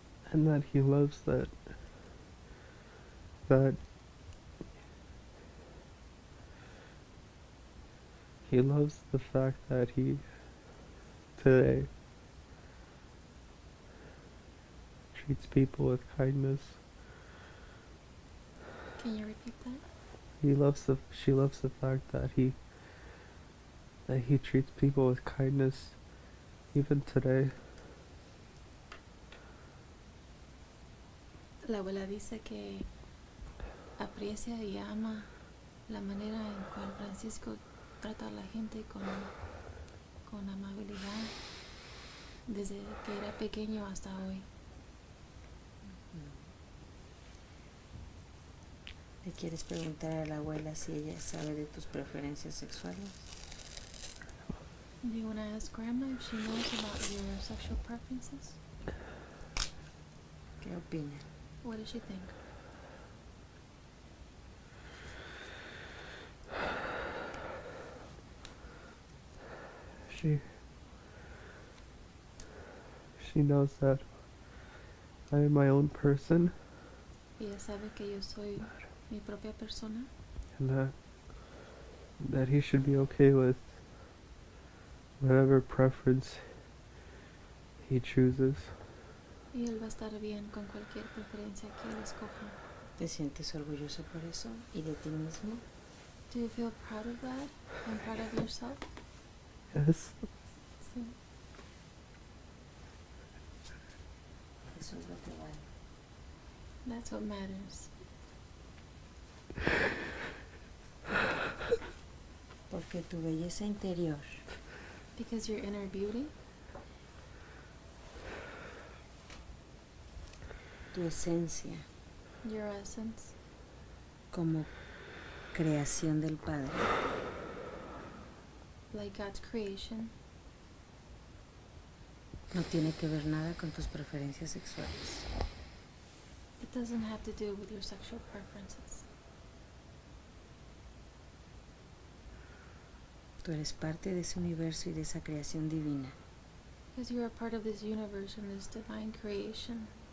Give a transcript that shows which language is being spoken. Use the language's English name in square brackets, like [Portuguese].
[English] And that he loves that he loves the fact that he today treats people with kindness. Can you repeat that? She loves the fact that he treats people with kindness even today. [Spanish] La abuela dice que aprecia y ama la manera en cual Francisco trata a la gente con amabilidad desde que era pequeño hasta hoy. ¿Le quieres preguntar a la abuela si ella sabe de tus preferencias sexuales? [English] Do you want to ask Grandma if she knows about your sexual preferences? [Spanish] ¿Qué opina? [English] What does she think? She knows that I am my own person. [Spanish] Ella sabe que yo soy mi propia persona. [English] And that he should be okay with whatever preference he chooses. [Spanish] Y él va a estar bien con cualquier preferencia que él escoja. ¿Te sientes orgulloso por eso y de ti mismo? [English] Do you feel proud of that and proud of yourself? Yes. [Spanish] Sí. Eso es lo que vale. [English] That's what matters. [Spanish] Porque tu belleza interior. [English] Because your inner beauty. [Spanish] Tu esencia. [English] Your essence. [Spanish] Como creación del Padre. [English] Like God's creation. [Spanish] No tiene que ver nada con tus preferencias sexuales. [English] It doesn't have to do with your sexual preferences. [Spanish] Tú eres parte de ese universo y de esa creación divina. [English] Because you are part of this universe and this divine creation.